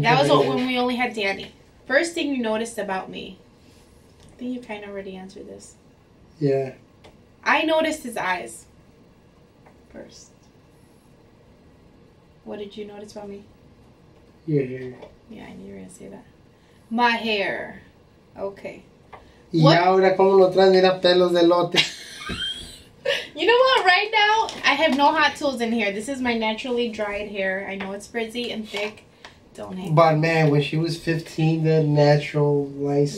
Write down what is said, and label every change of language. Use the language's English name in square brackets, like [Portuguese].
[English] That was when we only had Danny. First thing you noticed about me. I think you kind of already answered this. Yeah. I noticed his eyes. First. What did you notice about me? Your hair. Yeah, I knew you were going to say that. My hair. Okay. [Spanish] Y ahora como lo traes, mira pelos de elote. [English] You know what, right now, I have no hot tools in here. This is my naturally dried hair. I know it's frizzy and thick. Don't hate. But man, when she was 15, the natural lice.